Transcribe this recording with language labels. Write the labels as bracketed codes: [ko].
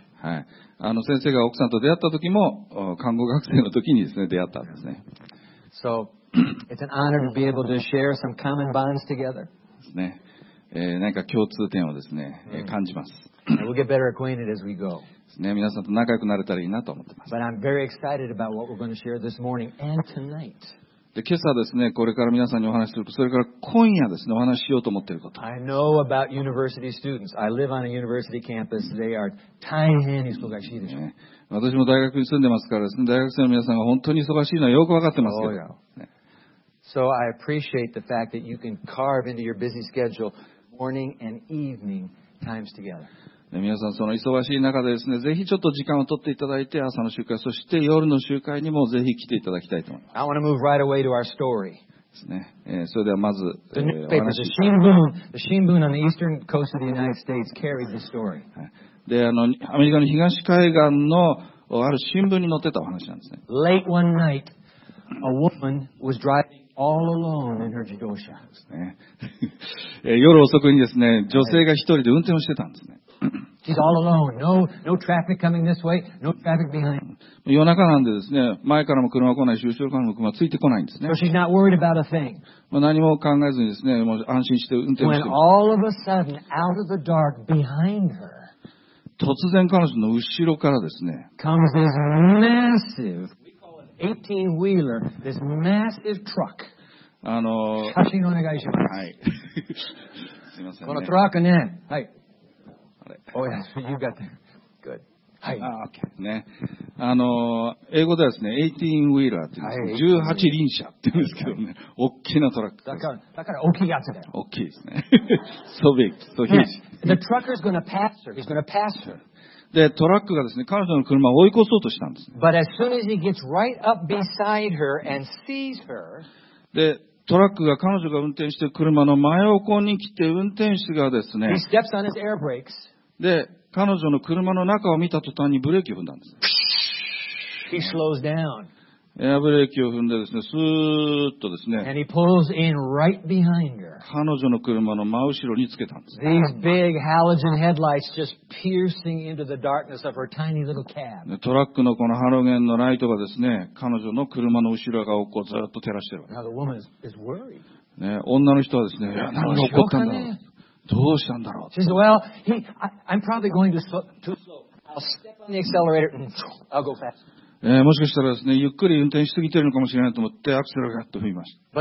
[ja] はい、あの先生が奥さんと出会った時も看護学生の時にですね出会ったんですね。 [en] So, it's an honor to be able to share some common bonds together. [ja] ですね。何か共通点をですね、感じます。 [en] We'll get better acquainted as we go. [ja] ですね、皆さんと仲良くなれたらいいなと思ってます。 [en] But I'm very excited about what we're going to share this morning and tonight. [ja] で今朝ですね、これから皆さんにお話しすること、それから今夜ですね、お話ししようと思っていること。 [en] I know about university students. I live on a university campus. They are [ja] 大変に忙しいでしょ、ね。私も大学に住んでますからですね、大学生の皆さんが本当に忙しいのはよくわかってますけど。 [en] Oh, yeah. ね、so I appreciate the fact that you can carve into your busy schedule morning and evening times together. [ja] で皆さんその忙しい中でですね、ぜひちょっと時間を取っていただいて朝の集会、そして夜の集会にもぜひ来ていただきたいと思います。 [en] I want to move right away to our story. [ja] ですね。それではまず、 [en] The newspapers, the 新聞 on the eastern coast of the United States carried the story. [ja] で、アメリカの東海岸のある新聞に載ってたお話なんですね。 [en] Late one night, a woman was driving. All alone in her 自動車 [ja] ですね。夜遅くにですね、女性が一人で運転をしてたんですね。 [en] She's all alone. No traffic coming this way. No traffic behind. [ja] 夜中なんでですね、前からも車来ないし、後ろからも車ついてこないんですね。 [en] So she's not worried about a thing. [ja] 何も考えずにですね、もう安心して運転をしてる。 [en] When all of a sudden, out of the dark behind her, [ja] 突然彼女の後ろからですね、 [en] comes this massive. 18-wheeler, this massive truck. [ja] 写真お願いします。はい。すみません、ね。このトラックね。はい。 [en] Oh, yes, you got that. Good. [ja] はい。 Ah, okay. ね。英語ではですね、18-wheeler って言うんですけど、18輪車って言うんですけどね、大きなトラックです。だから大きいやつだよ。大きいですね。 [en] So big, so huge.、Yeah. The trucker is going to pass her. He's going to pass her. [ja] でトラックがですね、彼女の車を追い越そうとしたんです、ね。 [en] But as soon as he gets right up beside her and sees her, [ja] でトラックが彼女が運転してる車の真横に来て、運転手がですね、 [en] he steps on his air brakes. [ja] で彼女の車の中を見た途端にブレーキを踏んだんです、ね。 [en] He slows down. [ja] エアブレーキを踏んでですね、スーッとですね、 [en] and he pulls in right behind her. [ja] 彼女の車の真後ろにつけたんです。 [en] These big halogen headlights just piercing into the darkness of her tiny little cab. [ja] トラックのこのハロゲンのライトがですね、彼女の車の後ろ側をずっと照らしてるわけです。 [en] Now the woman is worried. [ja] ね、女の人はですね、何が起こったんだろう。どうしたんだろう。 [en] She said, well, hey, I'm probably going too slow. I'll step on the accelerator and I'll go fast. [ja] もしかしたらですね、ゆっくり運転しすぎてるのかもしれないと思ってアクセルがガッと踏みました。